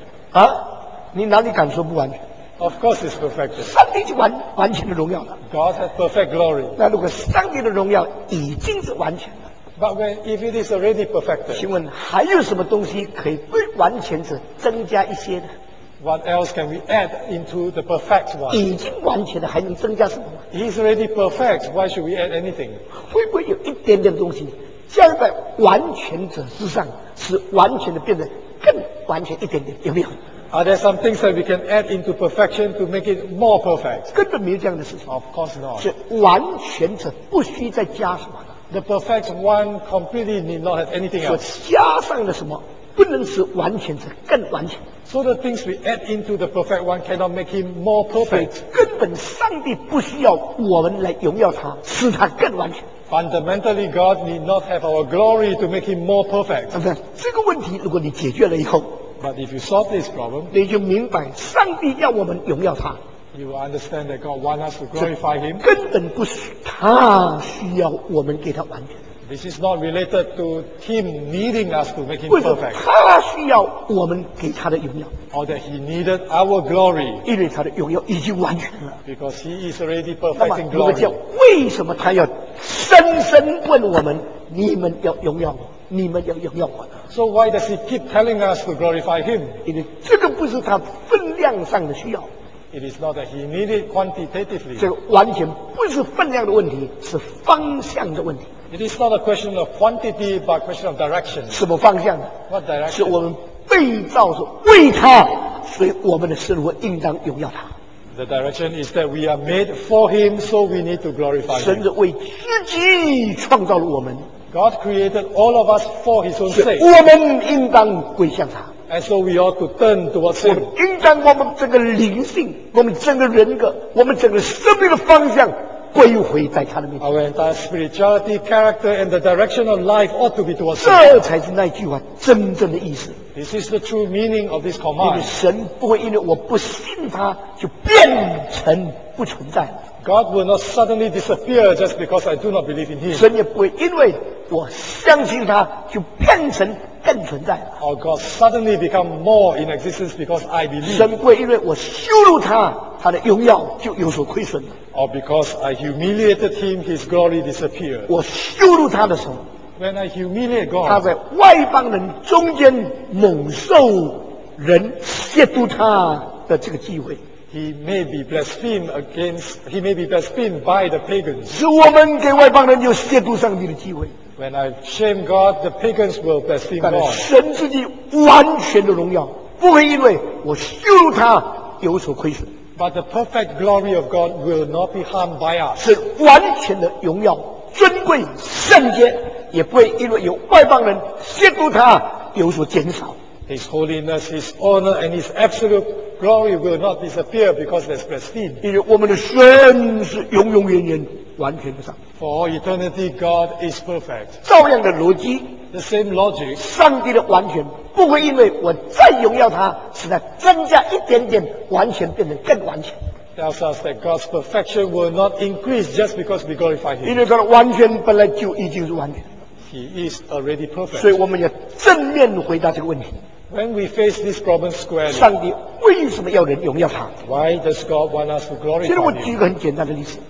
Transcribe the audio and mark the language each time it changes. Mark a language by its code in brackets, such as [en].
[zh] 啊，你哪里敢说不完全 [en] ？Of course, it's perfected. [zh] 上帝就完全的荣耀了。 [en] God has perfect glory. [zh] 那如果上帝的荣耀已经是完全了 [en] ，But when if it is already perfected, [zh] 请问还有什么东西可以对完全者增加一些呢 [en] ？What else can we add into the perfect one? [zh] 已经完全了，还能增加什么？ [en] He's already perfect. Why should we add anything? [zh] 会不会有一点点东西加在完全者之上，使完全的变得更完全一点点？有没有 [en] ？Are there some things that we can add into perfection to make it more perfect? [zh] 根本没有这样的事情。 [en] Of course not. [zh] 是完全者不需再加什么了。 [en] The perfect one completely need not have anything else. [zh] 所加上了什么，不能使完全者更完全。 [en] So the things we add into the perfect one cannot make him more perfect. [zh] 根本上帝不需要我们来荣耀他，使他更完全。 [en] Fundamentally, God need not have our glory to make him more perfect. [zh] 那这个问题如果你解决了以后 [en] ，But if you solve this problem, [zh] 你就明白上帝要我们荣耀他。 [en] You will understand that God want us to glorify him. [zh] 根本不是他需要我们给他完全。 [en] This is not related to him needing us to make him perfect. [zh] 他需要我们给他的荣耀。 [en] Or that he needed our glory. [zh] 因为他的荣耀已经完全了。 [en] Because he is already perfecting glory. [zh] 那么，如果叫为什么他要深深问我们，你们要荣耀我，你们要荣耀我呢 [en] ？So why does he keep telling us to glorify him? [zh] 因为这个不是他分量上的需要。 [en] It is not that he needed quantitatively. [zh] 这个完全不是分量的问题，是方向的问题。 [en] It is not a question of quantity, but a question of direction. [zh] 什么方向 [en] ？What direction? [zh] 是我们被造是为他，所以我们的生活应当荣耀他。 [en] The direction is that we are made for him, so we need to glorify him. [zh] 神是为自己创造了我们。 [en] God created all of us for his own sake. [zh] 我们应当归向他。 [en] And so we ought to turn towards him. [zh] 应当我们整个灵性，我们整个人格，我们整个生命的方向。归回在他的面前。 [en] Our entire spirituality, character, and the direction of life ought to be towards him. [zh] 这才是那句话真正的意思。 [en] This is the true meaning of this command. [zh] 因为神不会因为我不信他就变成不存在。 [en] God will not suddenly disappear just because I do not believe in him. [zh] 神也不会因为我相信他就变成更存在。 [en] Or God suddenly become more in existence because I believe. [zh] 神不会因为我羞辱他他的荣耀就有所亏损了。 [en] Or because I humiliated him, his glory disappeared. [zh] 我羞辱他的时候， [en] When I humiliate God, [zh] 他在外邦人中间蒙受人亵渎他的这个机会。 [en] He may be blasphemed against. He may be blasphemed by the pagans. [zh] 是我们给外邦人有亵渎上帝的机会。 [en] When I shame God, the pagans will blaspheme God. [zh] 但神自己完全的荣耀不会因为我羞辱他有所亏损。 [en] But the perfect glory of God will not be harmed by us. [zh] 是完全的荣耀、尊贵、圣洁，也不会因为有外邦人亵渎他有所减少。 [en] His holiness, His honor, and His absolute glory will not disappear because there's blasphemy. [zh] 因为我们的神是永永远远完全的上帝。 [en] For all eternity, God is perfect. [zh] 照样的逻辑。 [en] The same logic. [zh] 上帝的完全不会因为我再荣耀他，使他增加一点点，完全变得更完全。 [en] Tells us that God's perfection will not increase just because we glorify Him. [zh] 因为他的完全本来就已经是完全。 [en] He is already perfect. [zh] 所以我们要正面回答这个问题。 [en] When we face this problem squarely, [zh] 上帝为什么要人荣耀他？ [en] Why does God want us to glorify Him? [zh] 其实我举一个很简单的例子。